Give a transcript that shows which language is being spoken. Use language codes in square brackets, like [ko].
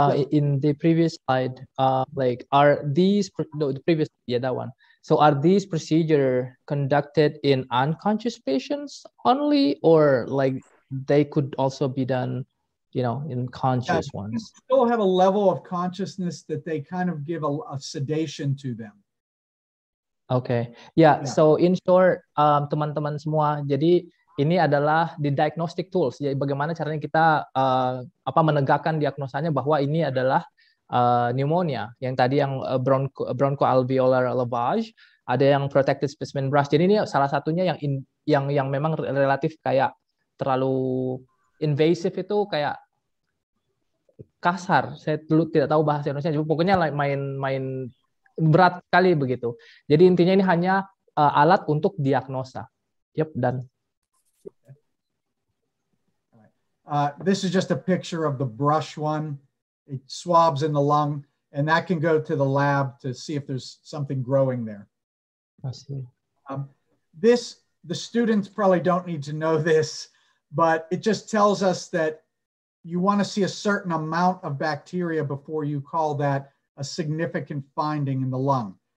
[en] In the previous slide, So are these procedures conducted in unconscious patients only, or like they could also be done, you know, in conscious ones? They still have a level of consciousness that they kind of give a sedation to them. Okay. Yeah. So in short, [id] teman-teman semua, jadi ini adalah [en] the diagnostic tools. [id] Jadi bagaimana caranya kita menegakkan diagnosanya bahwa ini adalah pneumonia yang tadi yang bronchoalveolar lavage, ada yang protected specimen brush. Jadi ini salah satunya yang memang relatif kayak terlalu invasive, itu kayak kasar. Saya dulu tidak tahu bahasa Indonesia, cuma pokoknya main-main berat kali begitu. Jadi intinya ini hanya alat untuk diagnosa. Yep, dan [en] This is just a picture of the brush one. It swabs in the lung, and that can go to the lab to see if there's something growing there. I see. The students probably don't need to know this, but it just tells us that you want to see a certain amount of bacteria before you call that a significant finding in the lung.